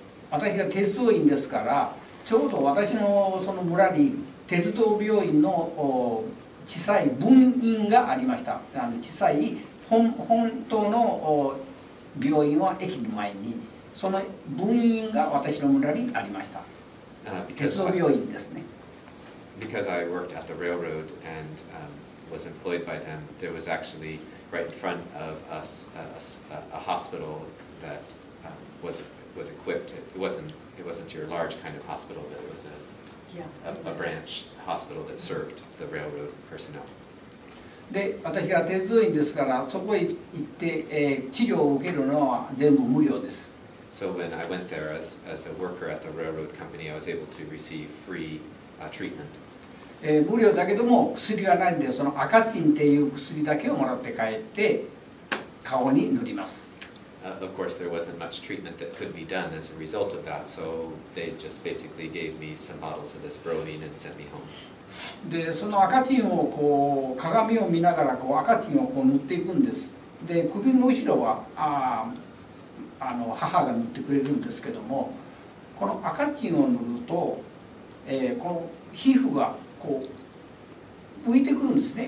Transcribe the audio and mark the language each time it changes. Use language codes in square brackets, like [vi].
[ja] 私が鉄道員ですから、ちょうど私のその村に鉄道病院の小さい分院がありました。あの小さい 本当の病院は駅の前に、その分院が私の村にありました。鉄道病院ですね。 [en] Because I worked at the railroad and was employed by them, there was actually right in front of us a hospital that was equipped. It wasn't your large kind of hospital, but it was a branch hospital that served the railroad personnel. [ja] で、私が鉄道員ですから、そこへ行って、治療を受けるのは全部無料です。 [en] So when I went there as a worker at the railroad company, I was able to receive free treatment. [ja] 無料だけども薬はないんで、その赤チンっていう薬だけをもらって帰って顔に塗ります。 [en] Of course, there wasn't much treatment that could be done as a result of that, so they just basically gave me some bottles of this bromine and sent me home. [ja] で、その赤チンをこう鏡を見ながらこう赤チンをこう塗っていくんです。で、首の後ろはあの母が塗ってくれるんですけども、この赤チンを塗ると、この皮膚がこう浮いてくるんですね。